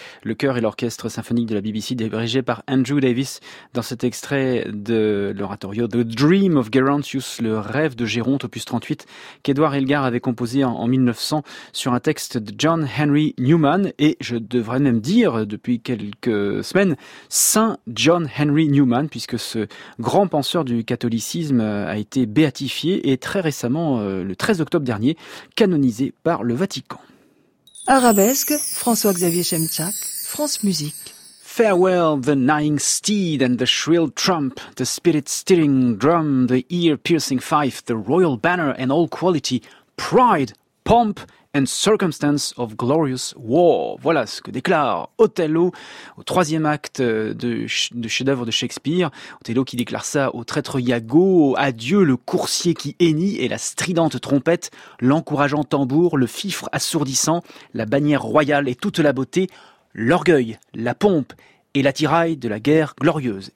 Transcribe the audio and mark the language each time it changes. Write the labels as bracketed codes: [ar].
[fr] Le chœur et l'orchestre symphonique de la BBC dirigé par Andrew Davis dans cet extrait de l'oratorio The Dream of Gerontius, le rêve de Géronte, opus 38, qu'Edward Elgar avait composé en 1900 sur un texte de John Henry Newman et je devrais même dire depuis quelques semaines, Saint John Henry Newman, puisque ce grand penseur du catholicisme a été béatifié et très récemment, le 13 octobre dernier, canonisé par le Vatican. Arabesque, François-Xavier Chemchak, France Musique. [en] Farewell the neighing steed and the shrill trump, the spirit-stirring drum, the ear-piercing fife, the royal banner and all quality, pride, pomp and circumstance of glorious war. [fr] Voilà ce que déclare Othello au troisième acte de chef-d'œuvre de Shakespeare. Othello qui déclare ça au traître Iago, adieu le coursier qui hennit et la stridente trompette, l'encourageant tambour, le fifre assourdissant, la bannière royale et toute la beauté, l'orgueil, la pompe et l'attirail de la guerre glorieuse.